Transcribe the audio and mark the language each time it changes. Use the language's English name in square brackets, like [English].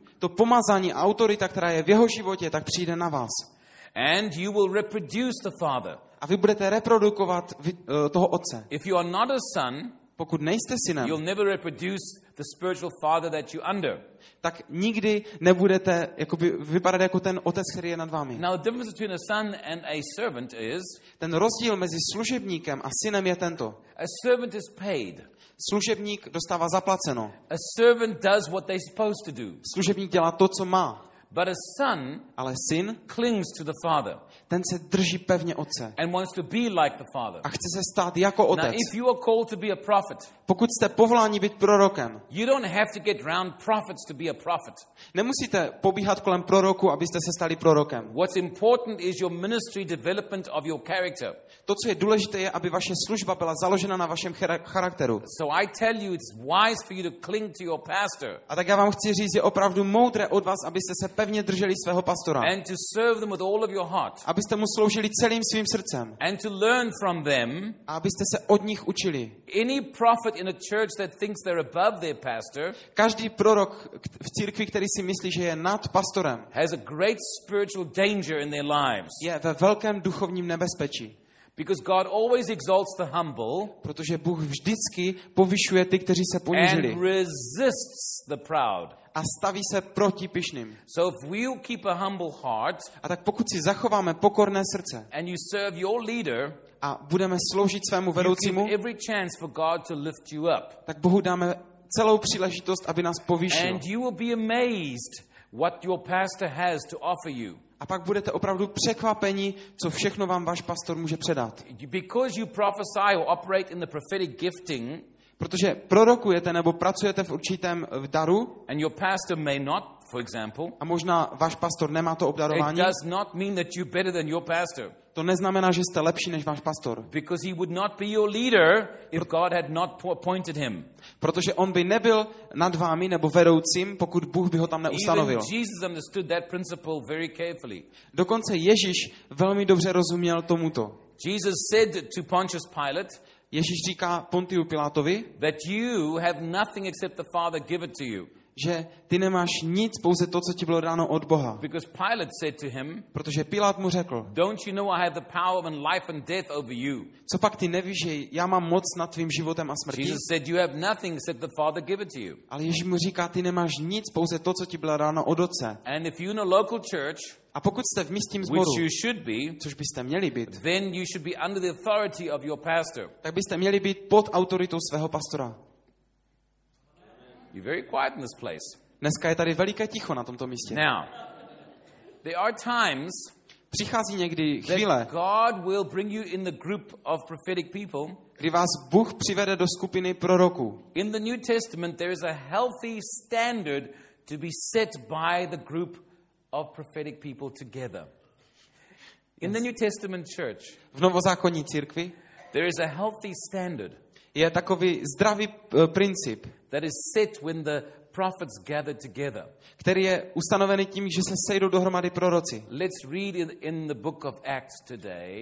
[Czech] To pomazání a autorita, která je v jeho životě, tak přijde na vás. [English] And you will reproduce the father. [Czech] A vy budete reprodukovat toho otce. [English] If you are not a son, [Czech] pokud nejste synem, [English] you'll never reproduce the spiritual father that you're under. [Czech] Tak nikdy nebudete jakoby vypadat jako ten otec, který je nad vámi. [English] Now the difference between a son and a servant is, [Czech] ten rozdíl mezi služebníkem a synem je tento. [English] A servant is paid. [Czech] Služebník dostává zaplaceno. [English] A servant does what they're supposed to do. [Czech] Služebník dělá to, co má. [English] But a son, [Czech] ale syn, [English] clings to the father. [Czech] Ten se drží pevně otce. [English] And wants to be like the father. [Czech] A chce se stát jako otec. [English] Now, if you are called to be a prophet, [Czech] pokud jste povoláni být prorokem, [English] you don't have to get round prophets to be a prophet. [Czech] Nemusíte pobíhat kolem proroku, abyste se stali prorokem. [English] What's important is your ministry development of your character. [Czech] To, co je důležité, je, aby vaše služba byla založena na vašem charakteru. [English] So I tell you, it's wise for you to cling to your pastor. [Czech] A tak já vám chci říct, je opravdu moudré od vás, abyste se pevně drželi svého pastora. [English] And to serve them with all of your heart. [Czech] Abyste mu sloužili celým svým srdcem. [English] And to learn from them. [Czech] A abyste se od nich učili. [English] Any prophet in a church that thinks they're above their pastor, [Czech] každý prorok v církvi, který si myslí, že je nad pastorem, [English] has a great spiritual danger in their lives. [Czech] Je ve velkém duchovním nebezpečí. [English] Because God always exalts the humble. [Czech] Protože Bůh vždycky povyšuje ty, kteří se ponížili. [English] And resists the proud. [Czech] A staví se proti pyšným. [English] So if we keep a humble heart, [Czech] a tak pokud si zachováme pokorné srdce, [English] and you serve your leader, [Czech] a budeme sloužit svému vedoucímu, [English] every chance for God to lift you up. [Czech] Tak Bohu dáme celou příležitost, aby nás povýšil. [English] And you will be amazed what your pastor has to offer you. [Czech] A pak budete opravdu překvapeni, co všechno vám váš pastor může předat. [English] Because you prophesy or operate in the prophetic gifting, [Czech] protože prorokujete nebo pracujete v určitém daru, [English] and your pastor may not, for example, [Czech] a možná váš pastor nemá to obdarování, [English] it does not mean that you're better than your pastor. [Czech] To neznamená, že jste lepší než váš pastor. [English] Because he would not be your leader if God had not appointed him. [Czech] Protože on by nebyl nad vámi nebo vedoucím, pokud Bůh by ho tam neustanovil. [English] Even Jesus understood that principle very carefully. [Czech] Dokonce Ježíš velmi dobře rozuměl tomuto. [English] Jesus said to Pontius Pilate, [Czech] Ježíš říká Pontiu Pilátovi, [English] that you have nothing except the Father give it to you. [Czech] že ty nemáš nic, pouze to, co ti bylo dáno od Boha. [English] Because Pilate said to him, [Czech] protože Pilát mu řekl, [English] don't you know I have the power of life and death over you? [Czech] Co pak ty nevíš, že já mám moc nad tvým životem a smrtí? [English] Jesus said, you have nothing except the Father give it to you. [Czech] Ale Ježíš mu říká, ty nemáš nic, pouze to, co ti bylo dáno od Otce. [English] And if you're in a local church, [Czech] a pokud jste v místním sboru, [English] which you should be, [Czech] což byste měli být, [English] then you should be under the authority of your pastor. [Czech] Tak byste měli být pod autoritou svého pastora. [English] You're very quiet in this place. [Czech] Dneska je tady veliké ticho na tomto místě. [English] Now, there are times, [Czech] přichází někdy chvíle, [English] that God will bring you in the group of prophetic people. [Czech] Kdy vás Bůh přivede do skupiny proroků. [English] In the New Testament, there is a healthy standard to be set by the group of prophetic people together. In the New Testament church, [Czech] v novozákonní církvi, [English] there is a healthy standard. [Czech] Je takový zdravý princip. [English] That is set when the prophets gather together. [Czech] Který je ustanovený tím, že se sejdou dohromady proroci. [English] Let's read it in the book of Acts today.